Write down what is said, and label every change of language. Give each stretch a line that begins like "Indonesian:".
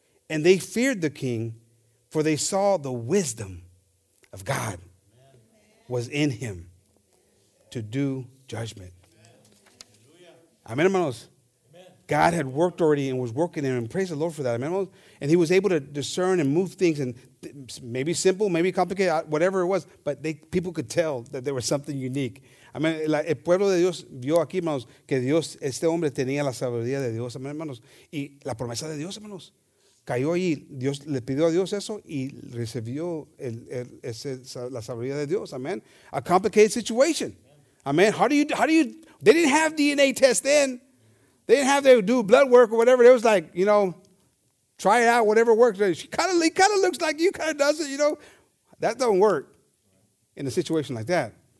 English: And they feared the king, for they saw the wisdom of God was in him to do judgment. Amen, hermanos. God had worked already and was working in him. Praise the Lord for that. Amen, hermanos. And he was able to discern and move things, and maybe simple, maybe complicated, whatever it was, but people could tell that there was something unique. Amen.
Spanish: El pueblo de Dios vio aquí, hermanos, que Dios, este hombre tenía la sabiduría de Dios. Amen, hermanos. Y la promesa de Dios, hermanos. Cayó ahí, Dios le pidió a Dios eso y recibió la sabiduría de Dios. Amen.
English: A complicated situation. Amen. How do you? They didn't have DNA tests then. They didn't have to do blood work or whatever. It was like, you know, try it out, whatever works. She kind of looks like you, kind of does it, you know. That don't work in a situation like that.